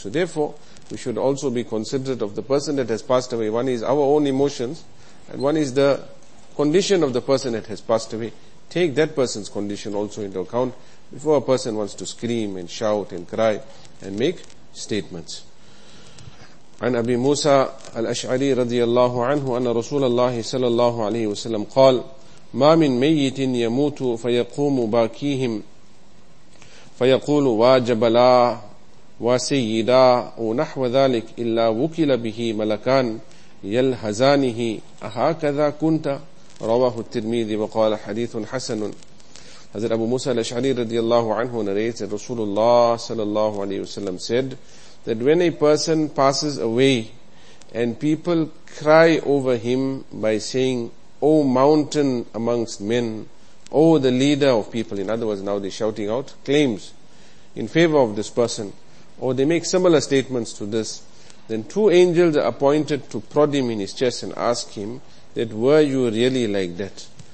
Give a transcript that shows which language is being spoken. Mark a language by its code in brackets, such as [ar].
[en] So therefore, we should also be considerate of the person that has passed away. One is our own emotions, and one is the condition of the person that has passed away. Take that person's condition also into account before a person wants to scream and shout and cry and make statements. [ar] عن أبي موسى الأشعري رضي الله عنه أن رسول الله صلى الله عليه وسلم قال ما من ميت يموت فيقوم باكيهم فيقول واجبلا وسيدا ونحو ذلك إلا وكل به ملكان يلهزانه أهكذا كنت رواه الترمذي وقال حديث حسن. حضرت أبو موسى الأشعري رضي الله عنه [en] narrated [ar] رسول الله صلى الله عليه وسلم [en] said that when a person passes away and people cry over him by saying, O mountain amongst men, O the leader of people, in other words, now they're shouting out claims in favor of this person, or they make similar statements to this, then two angels are appointed to prod him in his chest and ask him that, were you really like that?